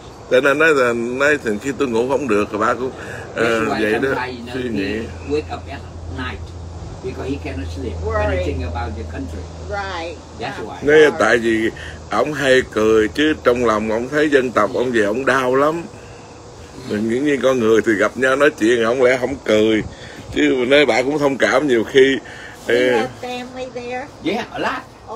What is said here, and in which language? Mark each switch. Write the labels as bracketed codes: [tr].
[vi] Cho nên nói thì khi tôi ngủ không được thì bác cũng vậy đó, suy nghĩ. [en] Wake up at night because he cannot sleep. Worry. Anything about the country. Right. That's why. [vi] Nói là tại vì ông hay cười chứ trong lòng ông thấy dân tộc ông về ông đau lắm. Mình nghĩ như con người thì gặp nhau nói chuyện ông lẽ không cười chứ, nói bà cũng thông cảm nhiều khi. [en] He have family there. Yeah, a lot.